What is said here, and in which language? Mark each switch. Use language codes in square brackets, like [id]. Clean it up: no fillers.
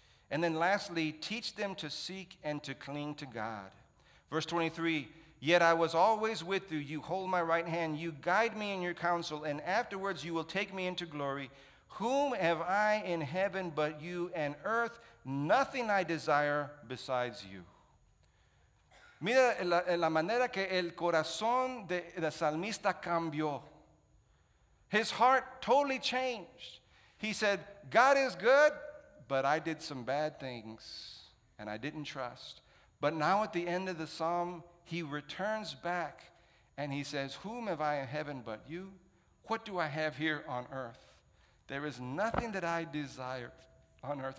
[en] And then lastly, teach them to seek and to cling to God. Verse 23, yet I was always with you. You hold my right hand. You guide me in your counsel, and afterwards you will take me into glory. Whom have I in heaven but you, and earth? Nothing I desire besides you. [es] Mira la manera que el corazón del salmista cambió. [en] His heart totally changed. He said, God is good, but I did some bad things, and I didn't trust. But now at the end of the psalm, he returns back, and he says, whom have I in heaven but you? What do I have here on earth? There is nothing that I desire on earth.